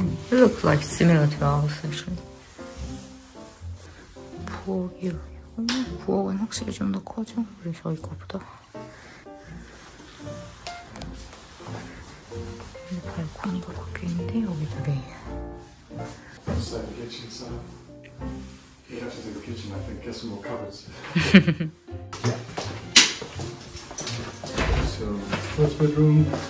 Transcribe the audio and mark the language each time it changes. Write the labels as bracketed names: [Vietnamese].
[English] It looks like similar to ours actually. [Korean] 부엌이에요. 부엌은 확실히 좀 더 커져. 우리 저희 거보다. 근데 발코니가 바뀌는데 여기도 레일. [English] Let's start the kitchen, sir. You have to do the kitchen, I think. Get some more cupboards. So, first bedroom.